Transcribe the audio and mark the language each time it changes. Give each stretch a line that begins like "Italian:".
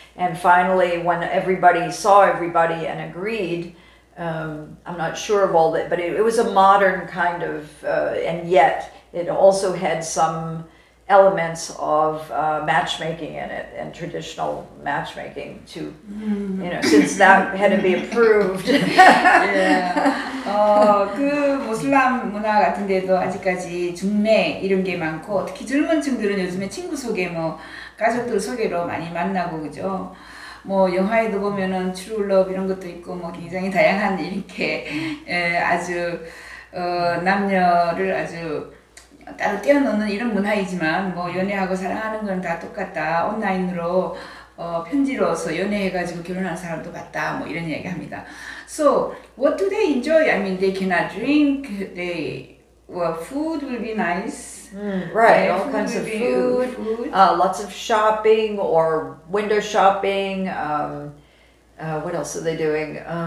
English: And finally, when everybody saw everybody and agreed, I'm not sure of all that, but it was a modern kind of, and yet it also had some elements of matchmaking in it, and traditional matchmaking to, you know, since that had to be approved. yeah.
Korean: 그 무슬림 문화 같은 데도 아직까지 중매 이런 게 많고 특히 젊은층들은 요즘에 친구 소개 뭐 가족들 소개로 많이 만나고 그죠. 뭐 영화에도 보면은 True Love 이런 것도 있고 뭐 굉장히 다양한 이렇게 에, 아주 남녀를 아주 따로 떼어놓는 이런 문화이지만 뭐 연애하고 사랑하는 건 다 똑같다 온라인으로 편지로서 연애해가지고 결혼한 사람도 봤다 뭐 이런 이야기합니다.
English: So what do they enjoy? I mean, they cannot drink. They well, food will be nice. Right, all kinds of food. Lots of shopping or window shopping. What else are they doing?